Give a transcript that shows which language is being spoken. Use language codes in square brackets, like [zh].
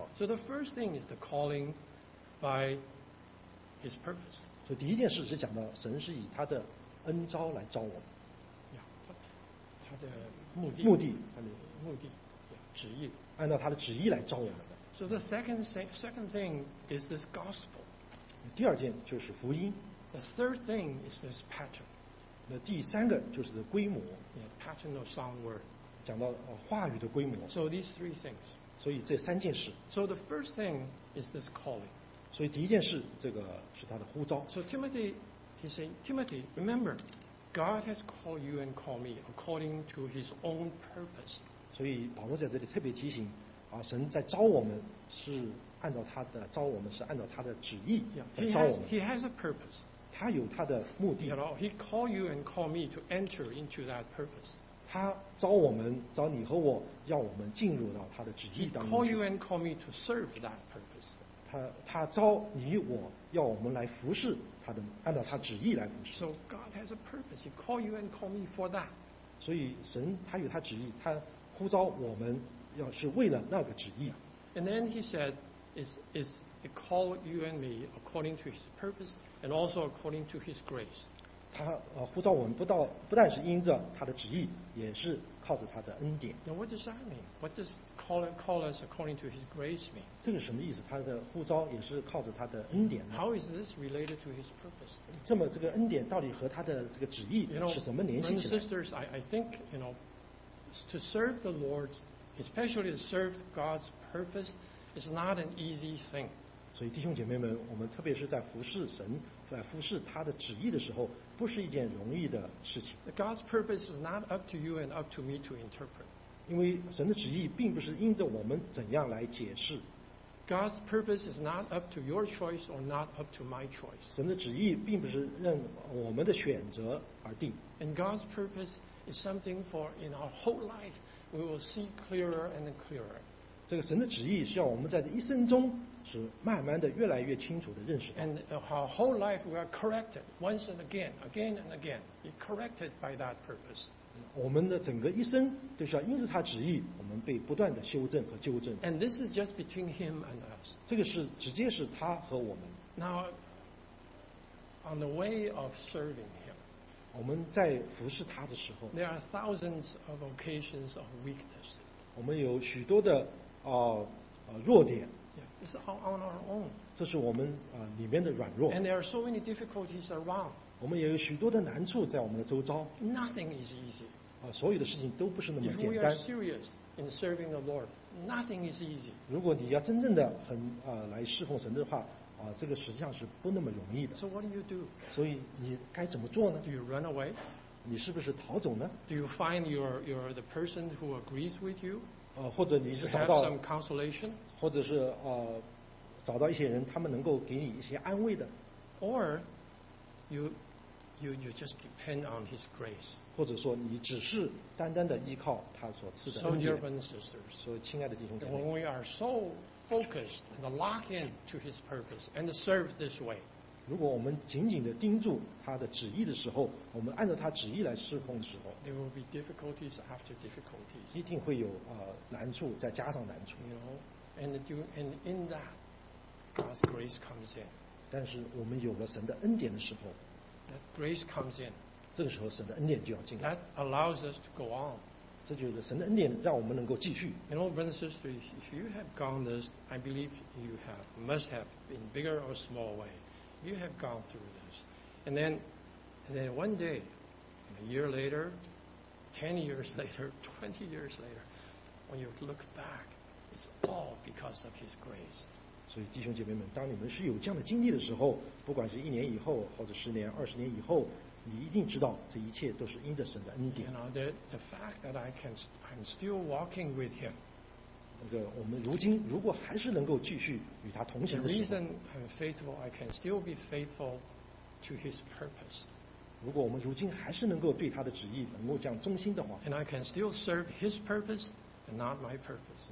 [en] Yeah. So the first thing is the calling by His purpose. [zh] 所以第一件事是讲到神是以他的恩召来召我们。 Yeah. 他的目的。目的。他的目的。Yeah. 旨意。按照他的旨意来召我们的。 [en] So the second thing is this gospel. [zh] 第二件就是福音。 [en] The third thing is this pattern. [zh] 那第三个就是规模。 [en] Yeah. Pattern of sound word. [zh] 讲到话语的规模。 [en] So these three things. [zh] 所以这三件事。 [en] So the first thing is this calling. [zh] 所以第一件事，这个是他的呼召。 [en] So Timothy, he said, Timothy, remember, God has called you and called me according to His own purpose. [zh] 所以保罗在这里特别提醒啊，神在召我们是按照他的召我们是按照他的旨意在召我们。 [en] Yeah, he has a purpose. [zh] 他有他的目的。 [en] You know, he called you and called me to enter into that purpose. [zh] 他召我们，召你和我，要我们进入到他的旨意当中。 [en] He called you and called me to serve that purpose. [zh] 他召你我，要我们来服侍他的，按照他旨意来服侍。 [en] So God has a purpose. He called you and called me for that. [zh] 所以神他有他旨意，他呼召我们。要是为了那个旨意。 [en] And then he said, "Is he called you and me according to his purpose and also according to his grace?" [zh] 他呼召我们不但是因着他的旨意，也是靠着他的恩典。 [en] Now what does that mean? What does call us according to his grace mean? [zh] 这个什么意思？他的呼召也是靠着他的恩典。 [en] How is this related to his purpose? [zh] 这么这个恩典到底和他的这个旨意是怎么联系起来 [en] ？You know, sisters, I think you know to serve the Lord's. Especially to serve God's purpose is not an easy thing. [zh] 所以弟兄姐妹们，我们特别是在服侍神，在服侍他的旨意的时候，不是一件容易的事情。 [en] God's purpose is not up to you and up to me to interpret. [zh] 因为神的旨意并不是因着我们怎样来解释。 [en] God's purpose is not up to your choice or not up to my choice. [zh] 神的旨意并不是任我们的选择而定。 [en] And God's purpose is something for in our whole life. We will see clearer and clearer. [zh] 这个神的旨意是要我们在这一生中是慢慢的越来越清楚的认识到。 [en] And our whole life we are corrected once and again, again and again, be corrected by that purpose. [zh] 我们的整个一生都是要因着他旨意，我们被不断的修正和纠正。 [en] And this is just between him and us. [zh] 这个是直接是他和我们。 [en] Now, on the way of serving him. [zh] 我们在服侍他的时候 [en] ，There are thousands of occasions of weakness. [zh] 我们有许多的弱点。 [en] Yeah, it's all on our own. [zh] 这是我们里面的软弱。 [en] And there are so many difficulties around. [zh] 我们也有许多的难处在我们的周遭。 [en] Nothing is easy. [zh] 所有的事情都不是那么简单。 [en] If we are serious in serving the Lord, nothing is easy. [zh] 如果你要真正的很来侍奉神的话。这个实际上是不那么容易的。 [en] So what do you do? [zh] 所以你该怎么做呢 [en] ？Do you run away? [zh] 你是不是逃走呢 [en] ？Do you find your the person who agrees with you? [zh] 或者你是找到 [en] some consolation? [zh] 或者是找到一些人，他们能够给你一些安慰的。 [en] Or you just depend on his grace. [zh] 或者说你只是单单的依靠他所赐的恩典。 [en] So dear brothers and sisters, [zh] 所以亲爱的弟兄姐妹 [en] ，When we are so focused and lock in to his purpose and serve this way. [zh] 如果我们紧紧地盯住他的旨意的时候，我们按照他旨意来侍奉的时候 [en] ，There will be difficulties after difficulties. [zh] 一定会有难处再加上难处。 [en] You know, and in that, God's grace comes in. [zh] 但是我们有了神的恩典的时候 [en] ，That grace comes in. [zh] 这个时候神的恩典就要进来。 [en] That allows us to go on. [zh] 这就是神的恩典，让我们能够继续。 [en] You know, brothers and sisters, if you have gone this, I believe you have, must have, in bigger or small way, you have gone through this. And then one day, a year later, 10 years later, 20 years later, when you look back, it's all because of His grace. [zh] 所以弟兄姐妹们，当你们是有这样的经历的时候，不管是一年以后，或者十年、20年以后。你一定知道，这一切都是因着神的恩典。 [en] You know, the fact that I'm still walking with Him. [zh] 那个我们如今如果还是能够继续与他同行的时候 [en] ，The reason I'm faithful, I can still be faithful to His purpose. [zh] 如果我们如今还是能够对他的旨意能够这样忠心的话 [en] ，And I can still serve His purpose and not my purpose.